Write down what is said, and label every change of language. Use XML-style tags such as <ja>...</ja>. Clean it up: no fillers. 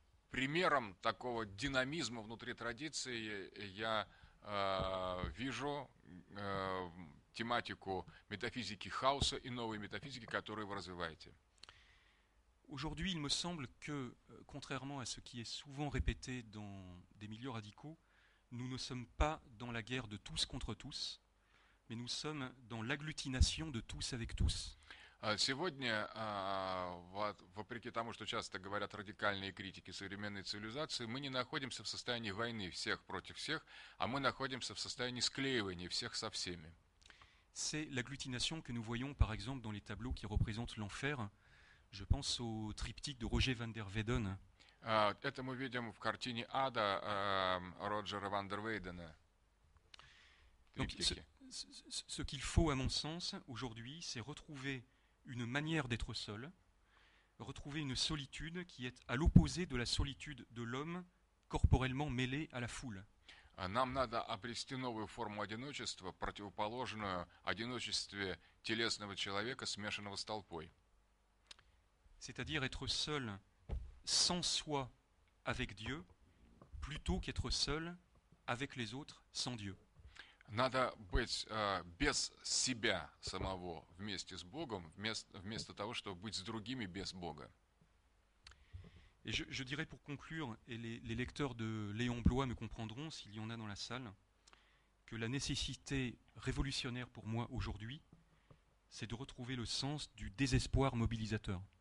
<ru>Примером такого динамизма внутри традиции я вижу тематику метафизики хаоса и новой метафизики, которую вы развиваете.</ru> <fr>Aujourd'hui, il me semble que, contrairement à ce qui est souvent répété dans des milieux radicaux, nous ne sommes pas dans la guerre de tous contre tous, mais nous sommes dans l'agglutination de tous avec tous.</fr> <ru>Сегодня, вопреки тому, что часто говорят радикальные критики современной цивилизации, мы не находимся в состоянии войны всех против всех, а мы находимся в состоянии склеивания всех со всеми.</ru> <fr>C'est l'agglutination que nous voyons, par exemple, dans les tableaux qui représentent l'enfer. Je pense au triptyque de Roger van der Weyden.</fr> <ru>Это мы видим в картине Ада Роджера ван дер Вейдена.</ru> <fr>Donc, ce qu'il faut, à mon sens, aujourd'hui, c'est retrouver une manière d'être seul, retrouver une solitude qui est à l'opposé de la solitude de l'homme corporellement mêlé à la foule.</fr> <ru>Нам надо обрести новую форму одиночества, противоположную одиночеству телесного человека, смешанного с толпой.</ru> <fr>C'est-à-dire être seul sans soi avec Dieu, plutôt qu'être seul avec les autres sans Dieu.</fr> <ru>Надо быть без себя самого вместе с Богом, вместо того, чтобы быть с другими без Бога.</ru> <fr>Et je dirais pour conclure, et les lecteurs de Léon Blois me comprendront s'il y en a dans la salle, que la nécessité révolutionnaire pour moi aujourd'hui, c'est de retrouver le sens du désespoir mobilisateur.</fr>